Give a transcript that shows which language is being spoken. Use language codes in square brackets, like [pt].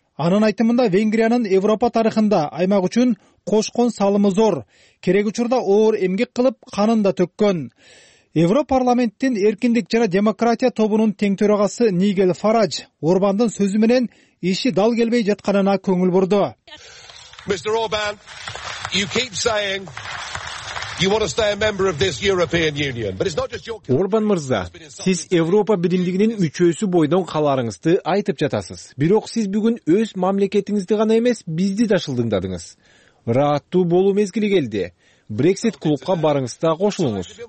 [ky] Анын айтымында Венгриянын Европа тарыхында аймак үчүн кошкон салымы зор, керек учурда оор эмгек кылып канын да төккөн. Европарламенттин эркиндик жана демократия тобунун тең төрагасы Нигель Фарадж Орбандын сөзү менен иши дал келбей жатканына көңүл бурду. [en] Mr. Orban, you keep saying you want to stay a member of this European Union, but it's not just your [ky] Orban мырза, сиз Европа биримдигинин мүчөсү бойдон калаарыңызды айтып жатасыз. Бирок сиз бүгүн өз мамлекетиңизди гана эмес, бизди да шылдыңдадыңыз. Раттуу болуу мезгили келди. Brexit клубка барыңыз да кошулуңуз.